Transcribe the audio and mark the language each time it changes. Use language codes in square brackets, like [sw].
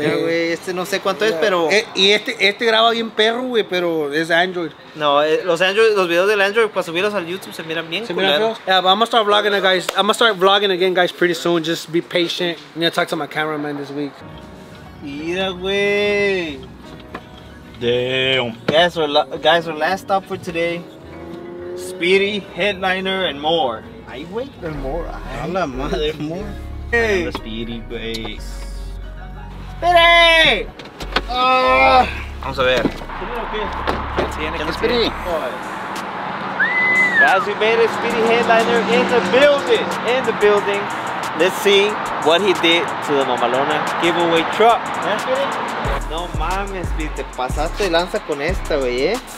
[es] Mira, güey, este no sé cuánto es, pero... Y este graba bien perro, güey, pero es Android. No, los Android, los videos del Android, para subirlos al YouTube, se miran bien. [en] Yeah, but I'm gonna start vlogging, guys. I'm gonna start vlogging again, guys, pretty soon. Just be patient. I'm gonna talk to my cameraman this week. [es] Mira, güey. [en] Damn. Guys, our last stop for today. Speedy, Headliner, and more. I wait for more. [es] Hola, madre, more. Hey. [en] The Speedy, babe. Speedy! [es] Vamos a ver. ¿Qué tiene? Speedy. [en] Guys, we made it. Speedy Headliner in the building. In the building. Let's see what he did to the Mamalona giveaway truck. [es] No mames, te pasaste de lanza con esta, güey, ¿eh?